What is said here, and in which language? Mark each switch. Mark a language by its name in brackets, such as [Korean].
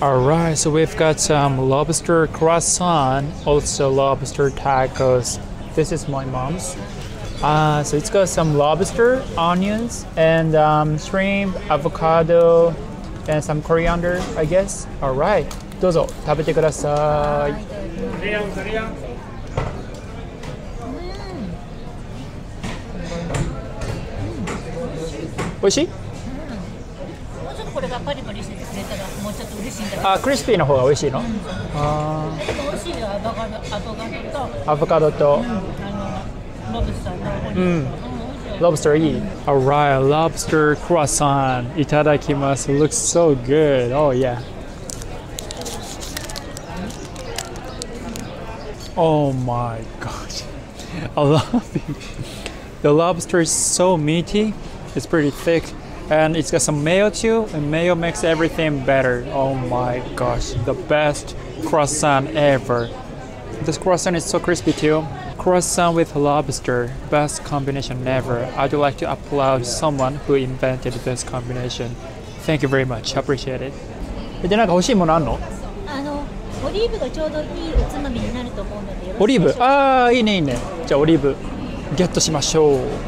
[English] All right, so we've got some lobster croissant, also lobster tacos. This is my mom's. So it's got some lobster, onions, and shrimp, avocado, and some coriander, I guess. All right. [Japanese] どうぞ食べてください。おいしい？もうちょっとこれがパリパリしてくれたらもうちょっと嬉しいんだけど。あ、クリスピーの方がおいしいの？ちょっとおいしいよ、アボカド、アボカドと。アボカドと。ロブスターの。うん。 [English] Lobster, eat. All right, lobster croissant. [Japanese] いただきます。 [English] Looks so good. Oh yeah. Oh my gosh, I love it. The lobster is so meaty, it's pretty thick, and it's got some mayo too, and mayo makes everything better. Oh my gosh, the best croissant ever. This croissant is so crispy too. Croissant with lobster, best combination ever. I'd like to applaud someone who invented this combination. Thank you very much. Appreciate it. [Japanese] で、何か欲しいものあんの？あの、オリーブがちょうどいいおつまみになると思うので、オリーブ？ああ、いいね、いいね。じゃあ、オリーブ、ゲットしましょう。